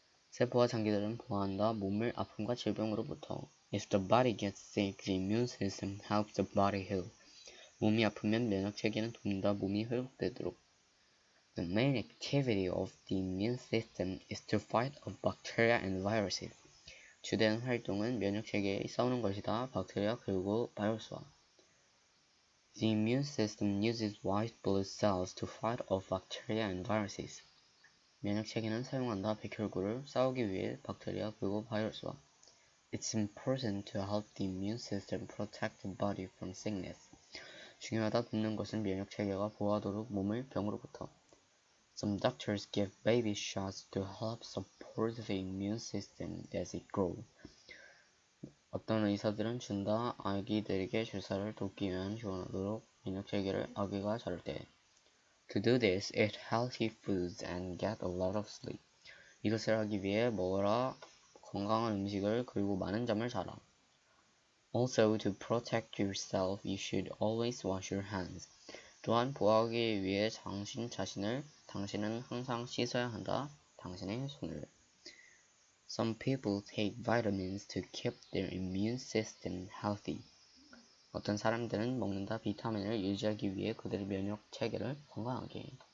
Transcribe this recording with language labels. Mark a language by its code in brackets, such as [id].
[ko] 세포와 장기들은 보호한다. 몸을 아픔과 질병으로부터. [en] If the body gets sick, the immune system helps the body heal. [ko] 몸이 아프면 면역체계는 돕는다. 몸이 회복되도록. [en] The main activity of the immune system is to fight off bacteria and viruses. [ko] 주된 활동은 면역체계에 싸우는 것이다. 박테리아 그리고 바이러스와. [en] The immune system uses white blood cells to fight off bacteria and viruses. [ko] 면역체계는 사용한다. 백혈구를 싸우기 위해 박테리아 그리고 바이러스와. [en] It's important to help the immune system protect the body from sickness. [ko] 중요하다. 돕는 것은 면역체계가 보호하도록 몸을 병으로부터. [en] Some doctors give baby shots to help support the immune system as it grows. [ko] 어떤 의사들은 준다. 아기들에게 주사를 돕기 위한 지원하도록 면역체계를 아기가 자랄 때. [en] To do this, eat healthy foods and get a lot of sleep. [ko] 이것을 하기 위해 먹어라. 건강한 음식을 그리고 많은 잠을 자라. [en] Also, to protect yourself, you should always wash your hands. [ko] 또한 보호하기 위해 당신 자신을 당신은 항상 씻어야 한다. 당신의 손을. [en] Some people take vitamins to keep their immune system healthy. [ko] 어떤 사람들은 먹는다. 비타민을 유지하기 위해 그들의 면역 체계를 건강하게.